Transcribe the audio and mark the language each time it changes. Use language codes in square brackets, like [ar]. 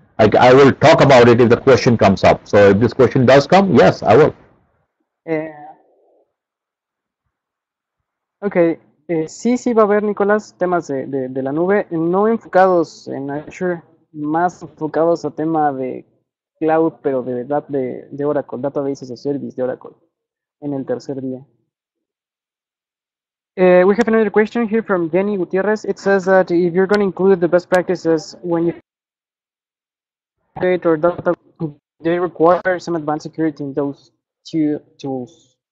[en] I will talk about it if the question comes up. So if this question does come, yes, I will. Okay. [es] Sí, sí va a haber, Nicolás, temas de la nube, no enfocados en Azure, más enfocados a tema de cloud, pero de Oracle, Databases as a Service de Oracle, en el tercer día. [en] We have another question here from Jenny Gutierrez. It says that if you're going to include the best practices when you create or data, they require some advanced security in those two tools.